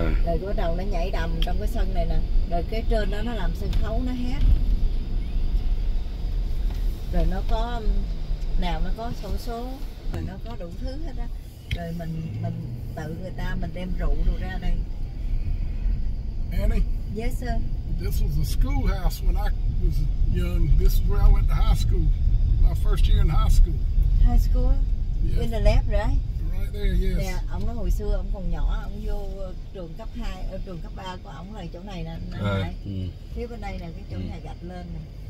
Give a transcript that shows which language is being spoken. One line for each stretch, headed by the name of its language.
Vietnamese: Rồi bắt đầu nó nhảy đầm trong cái sân này nè. Rồi cái trên đó nó làm sân khấu nó hát. Rồi nó có nào nó có sổ số, rồi nó có đủ thứ hết á. Rồi mình tự người ta mình đem rượu đồ ra đây.
English: Annie. Yes sir. This was a schoolhouse when I was young. This is where I went to high school. My first year in high school. High school? Yeah. In the lab, right? Right there, yes.
Vietnamese: Yeah, ông nói hồi xưa ông còn nhỏ, ông vô trường cấp 2, trường cấp 3 của ông là chỗ này nè. Phía bên đây nè, cái chỗ nhà gạch lên nè.